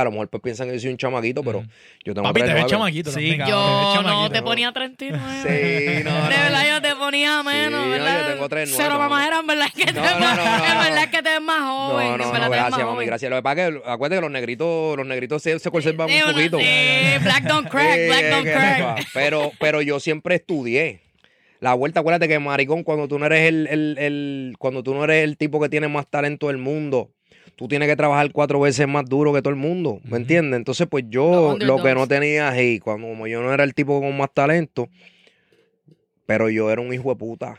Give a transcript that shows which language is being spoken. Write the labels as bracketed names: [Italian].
[Spanish] A lo mejor pues piensan que yo soy un chamaquito, pero yo tengo 39. Papi, te ves chamaquito. Sí, yo no te ponía 39. Sí, no, de verdad, yo te ponía menos, sí, ¿verdad? Yo tengo 39. Cero, mamá, era en verdad que te ves más joven. No, no, no, gracias, mami, gracias. Lo que pasa es que acuérdate que los negritos se conservan un poquito. [English] Sí, black don't crack, black don't crack. [Spanish] Pero yo siempre estudié. La vuelta, acuérdate que, maricón, cuando tú no eres el tipo que tiene más talento del mundo, tú tienes que trabajar 4 veces más duro que todo el mundo, ¿me entiendes? Entonces, pues yo lo que no tenía, hey, como yo no era el tipo con más talento, pero yo era un hijo de puta.